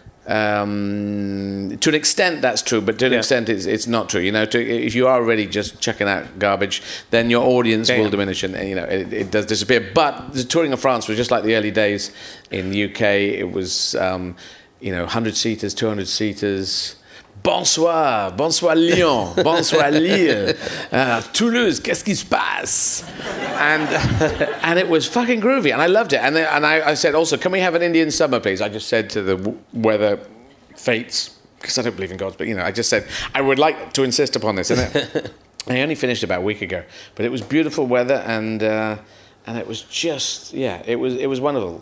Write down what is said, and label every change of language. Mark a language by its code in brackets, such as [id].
[en] To an extent, that's true, but to an extent, it's not true. You know, if you are really just chucking out garbage, then your audience will diminish, and you know, it does disappear. But the touring of France was just like the early days in the UK. It was, 100 seaters, 200 seaters. [fr] Bonsoir, bonsoir Lyon, bonsoir Lille, Toulouse, qu'est-ce qui se passe? [en] And it was fucking groovy, and I loved it. And I said, also, can we have an Indian summer, please? I just said to the weather fates, because I don't believe in gods, but, you know, I just said, I would like to insist upon this, isn't it? I only finished about a week ago, but it was beautiful weather, and it was just, yeah, it was wonderful.